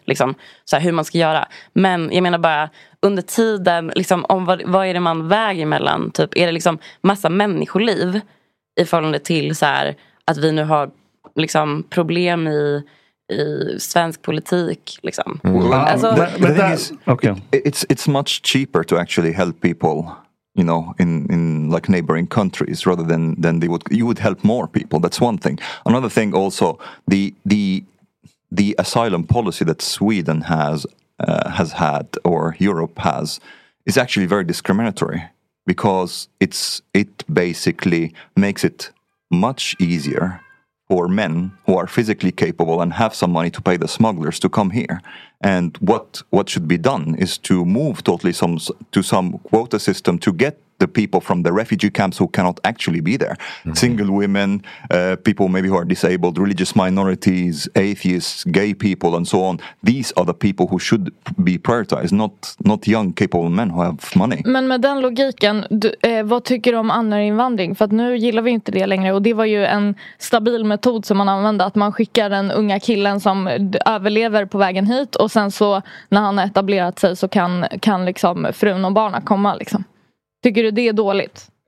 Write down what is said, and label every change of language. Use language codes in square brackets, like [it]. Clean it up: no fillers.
[sv] Liksom, så här, hur man ska göra. Men jag menar bara, under tiden, liksom, om vad är det man väger emellan? Typ, är det liksom massa människoliv i förhållande till så här, att vi nu har liksom problem i svensk politik liksom. [en] It's much cheaper to actually help people, you know, in like neighboring countries rather than you would help more people. That's one thing. Another thing also, the asylum policy that Sweden has had, or Europe has, is actually very discriminatory, because it basically makes it much easier for men who are physically capable and have some money to pay the smugglers to come here. And what should be done is to move totally to some quota system to get the people from the refugee camps who cannot actually be there. Mm-hmm. Single women, people maybe who are disabled, religious minorities, atheists, gay people, and so on. These are the people who should be prioritized, not young, capable men who have money. [sv] Men med den logiken, vad tycker du om anhöriginvandring? För att nu gillar vi inte det längre. Och det var ju en stabil metod som man använde, att man skickar den unga killen som överlever på vägen hit, och sen så när han har etablerat sig så kan liksom frun och barna komma liksom. Tycker du det är dåligt?